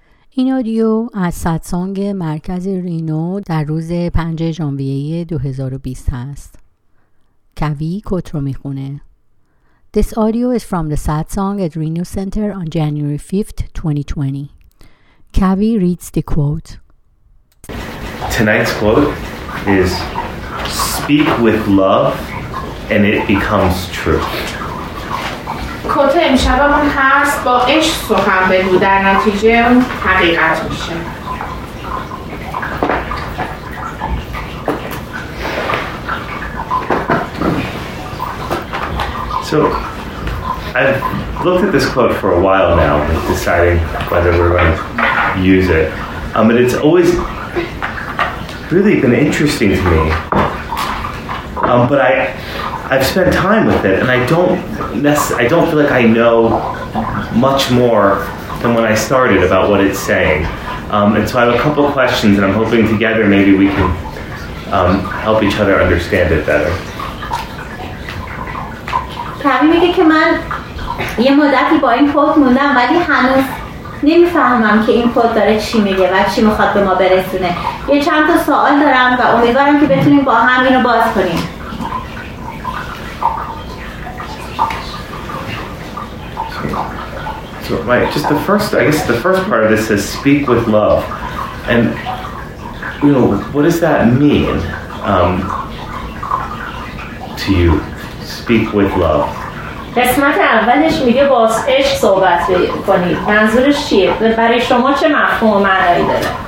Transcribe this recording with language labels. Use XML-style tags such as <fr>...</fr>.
<fa>این آدیو از ساتسانگ مرکز رینو در روز 5 ژانویه 2020 است. کوی کوت رو میخونه.</fa> <en>This audio is from the satsang at Rino Center on January 5th, 2020. Kavi reads the quote. Tonight's quote is speak with love and it becomes true.</en> <fa>کوت امشبمون هست با عشق سخن بگو در نتیجه حقیقت میشه.</fa> <en>So I've looked at this quote for a while now, deciding whether we're going to use it. But it's always really been interesting to me. But I've spent time with it, and I don't feel like I know much more than when I started about what it's saying. And so I have a couple of questions, and I'm hoping together maybe we can help each other understand it better.</en> <fa>کمی میگه که من یه مدتی با این کوت موندم ولی هنوز نمیفهمم که این کوت داره چی میگه و چی میخواد به ما برسونه. یه چند تا سوال دارم و امیدوارم که بتونیم با هم اینو باز کنیم.</fa> <en>So, right, just the first, I guess the first part of this says speak with love. And, you know, what does that mean to you? Speak with love.</en> <fa>قسمت اولش میگه با عشق صحبت کنید. منظورش چیه؟ برای شما چه مفهوم و معنایی داره؟</fa>